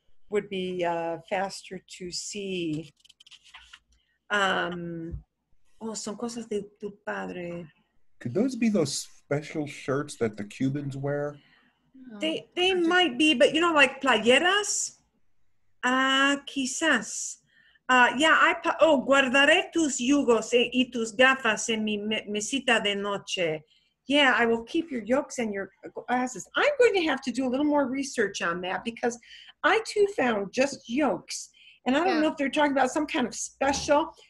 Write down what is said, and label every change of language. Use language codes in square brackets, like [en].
[en] Would be faster to see. Oh, [es] son cosas de tu padre. [en] Could those be those special shirts that the Cubans wear? They might be, but you know, like playeras? [es] Quizás. Guardaré tus yugos y tus gafas en mi mesita de noche. [en] Yeah, I will keep your yokes and your glasses. I'm going to have to do a little more research on that because I too found just yokes. And I don't know if they're talking about some kind of special.